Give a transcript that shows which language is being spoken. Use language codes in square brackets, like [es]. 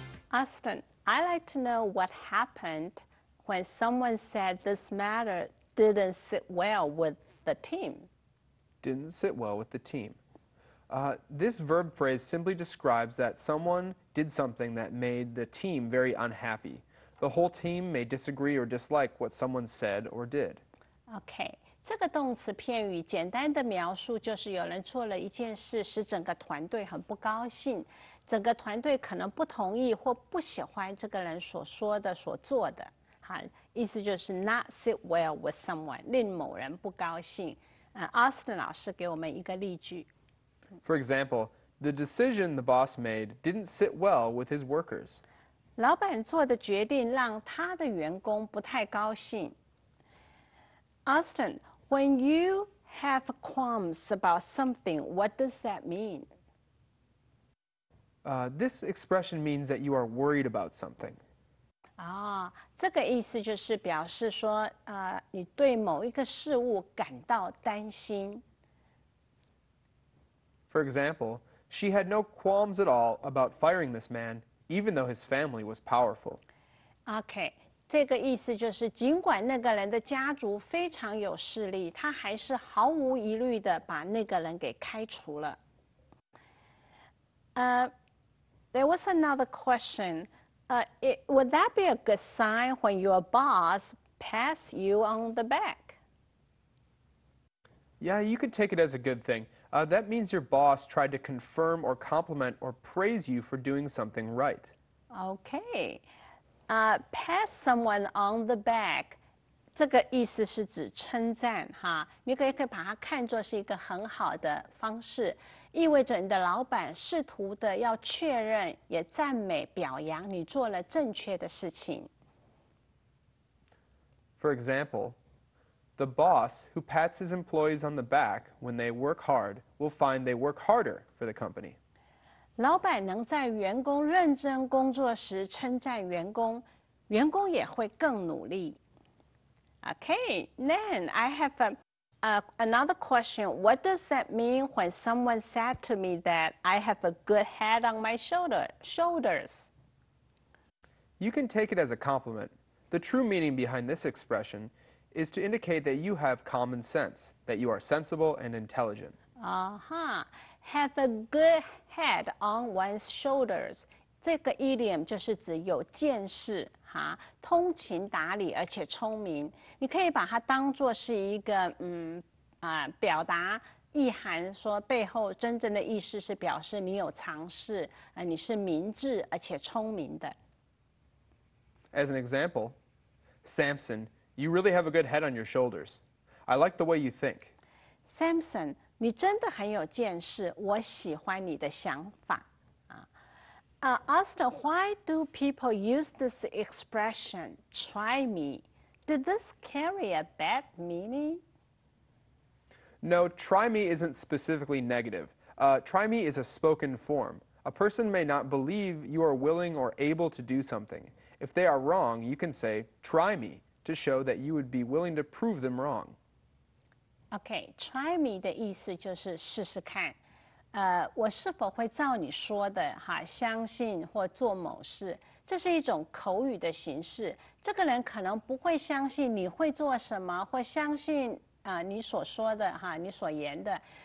[en] Austin, I'd like to know what happened when someone said this matter didn't sit well with the team. Didn't sit well with the team. This verb phrase simply describes that someone did something that made the team very unhappy. The whole team may disagree or dislike what someone said or did. Okay. [zh] 这个动词片语简单的描述就是有人做了一件事使整个团队很不高兴。整个团队可能不同意或不喜欢这个人所说的所做的。好，意思就是 [en] not sit well with someone, [zh] 令某人不高兴。 Austin 老师给我们一个例句。 [en] For example, the decision the boss made didn't sit well with his workers. [zh] 老板做的决定让他的员工不太高兴。 [en] Austin, when you have qualms about something, what does that mean? This expression means that you are worried about something. [zh] 这个意思就是表示说你对某一个事物感到担心。 [en] For example, she had no qualms at all about firing this man, even though his family was powerful. [zh] Okay, 这个意思就是尽管那个人的家族非常有势力，他还是毫无疑虑的把那个人给开除了。 [en] There was another question. Would that be a good sign when your boss pats you on the back? Yeah, you could take it as a good thing. That means your boss tried to confirm or compliment or praise you for doing something right. Okay. Pat someone on the back. [zh] 这个意思是指称赞哈，你可以把它看作是一个很好的方式，意味着你的老板试图的要确认，也赞美表扬你做了正确的事情。 [en] For example, the boss who pats his employees on the back when they work hard will find they work harder for the company. [zh] 老板能在员工认真工作时称赞员工，员工也会更努力。 [en] Okay, then I have another question. What does that mean when someone said to me that I have a good head on my shoulders? You can take it as a compliment. The true meaning behind this expression is to indicate that you have common sense, that you are sensible and intelligent. Uh-huh. Have a good head on one's shoulders. [zh] 这个 idiom 就是指有见识。啊、通情达理而且聪明，你可以把它当作是一个表达意涵，说背后真正的意思是表示你有常识、你是明智而且聪明的。 [en] As an example, Samson, you really have a good head on your shoulders. I like the way you think. [zh] Samson, 你真的很有见识，我喜欢你的想法。 [en] Austin, why do people use this expression, try me? Did this carry a bad meaning? No, try me isn't specifically negative. Try me is a spoken form. A person may not believe you are willing or able to do something. If they are wrong, you can say, try me, to show that you would be willing to prove them wrong. [zh] Okay, [en] try me [zh] 的意思就是试试看。我是否会照你说的哈相信或做某事，这是一种口语的形式。这个人可能不会相信你会做什么，或相信你所说的哈你所言的。